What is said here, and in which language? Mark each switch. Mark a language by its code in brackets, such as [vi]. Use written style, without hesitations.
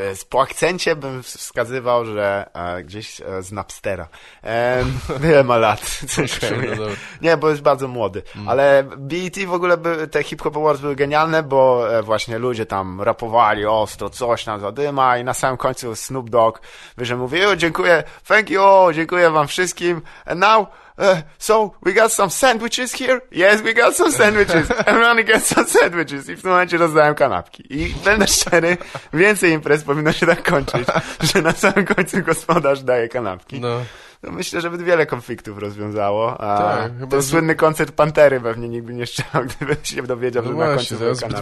[pl] Po akcencie bym wskazywał, że gdzieś z Napstera. Wiele ma lat. Okay, no nie, bo jest bardzo młody. Mm. Ale BET w ogóle, te Hip Hop Awards były genialne, bo właśnie ludzie tam rapowali ostro, coś tam zadyma i na samym końcu Snoop Dogg wyżej mówił, dziękuję, [en] thank you, [pl] dziękuję wam wszystkim. [en] And now, so we got some sandwiches here? Yes, we got some sandwiches. Everyone gets some sandwiches. [pl] I w tym momencie rozdałem kanapki. I będę szczery, więcej imprez powinno się tak kończyć, że na samym końcu gospodarz daje kanapki. No. To myślę, że by wiele konfliktów rozwiązało. A tak, ten słynny koncert Pantery pewnie nikt by nie strzelał, gdyby się dowiedział, że na końcu zbyt kanapki.